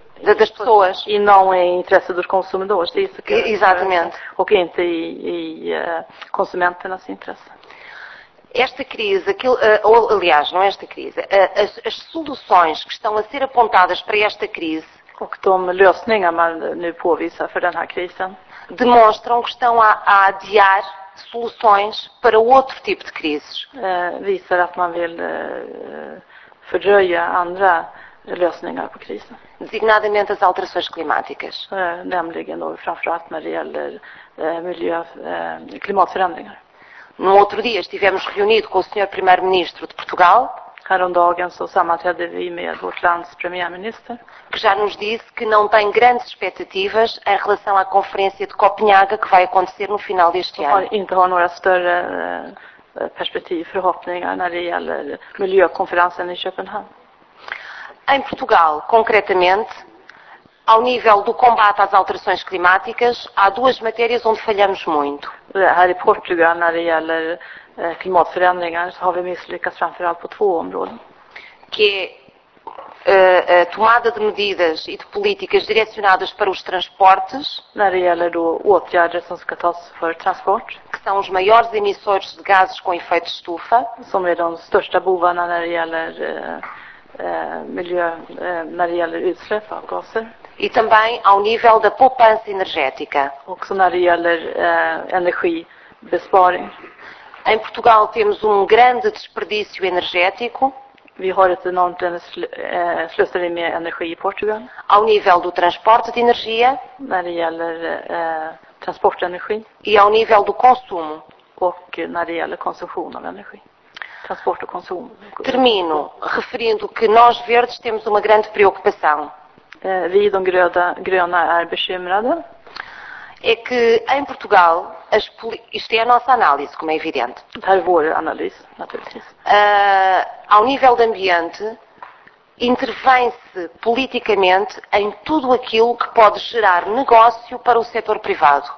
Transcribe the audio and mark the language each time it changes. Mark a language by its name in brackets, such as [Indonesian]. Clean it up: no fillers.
[Portuguese] das pessoas e não em interesse dos consumidores, isso que exatamente. [Swedish] Och inte i konsumenternas intresse. [Portuguese] Esta crise, aliás, não esta crise, as soluções que estão a ser apontadas para esta crise, [Swedish] och de lösningar man nu påvisar för den här krisen, [Portuguese] demonstram que estão a adiar soluções para outro tipo de crises. [Swedish] Visar att man vill fördröja andra lösningar på krisen. [Portuguese] Designadamente as alterações climáticas. [Swedish] Nämligen då framförallt när det gäller miljö, klimatförändringar. [Portuguese] No outro dia estivemos reunidos com o Sr. Primeiro-Ministro de Portugal. [Swedish] Häromdagen så sammanträdde vi med vårt lands premiärminister. [Portuguese] Que já nos disse que não tem grandes expectativas em relação à conferência de Copenhaga que vai acontecer no final deste ano. [Swedish] Inte har några större perspektiv, förhoppningar när det gäller miljökonferensen i Köpenhamn. [Portuguese] Em Portugal, concretamente, ao nível do combate às alterações climáticas, há 2 matérias onde falhamos muito. [Swedish] Här i Portugal, när det gäller klimatförändringar, så har vi misslyckats framförallt på 2 områden. [Portuguese] Que a tomada de medidas e de políticas direcionadas para os transportes, [Swedish] när det gäller då åtgärder som ska tas för transport, [Portuguese] que são os maiores emissores de gases com efeito de estufa. São [Swedish] de största bovarna när det gäller miljö när det gäller utsläpp av gaser. [Portuguese] E também ao nível da poupança energética. [Swedish] Också när det gäller energibesparing. [Portuguese] Em Portugal temos grande desperdício energético. [Swedish] Vi har ett enormt slöseri med energi i Portugal. [Portuguese] Ao nível do transporte de energia. [Swedish] När det gäller transportenergi. [Portuguese] E ao nível do consumo. [Swedish] Och när det gäller konsumtion av energi. Transport och konsum. [Portuguese] Termino referindo que nós verdes temos grande preocupação. [Swedish] Vi de gröna är bekymrade. [Portuguese] É que em Portugal, isto é a nossa análise, como é evidente. Para [Swedish] vår [Portuguese] análise, [Swedish] naturligtvis. [Portuguese] Ao nível do ambiente, intervém-se politicamente em tudo aquilo que pode gerar negócio para o setor privado.